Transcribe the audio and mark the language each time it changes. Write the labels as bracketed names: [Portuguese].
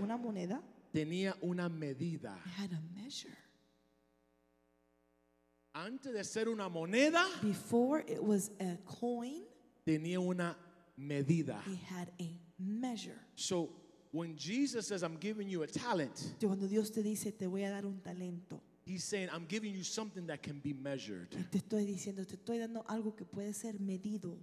[Spanish] una moneda, tenía una medida. [English] It had a measure. [Spanish] Antes de ser una moneda, [English] before it was a coin, [Spanish] tenía una medida. [English] It had a measure. So when Jesus says, I'm giving you a talent, [Spanish] cuando Dios te dice, te voy a dar un talento, [English] he's saying, I'm giving you something that can be measured. [Spanish] Te estoy diciendo, te estoy dando algo que puede ser medido.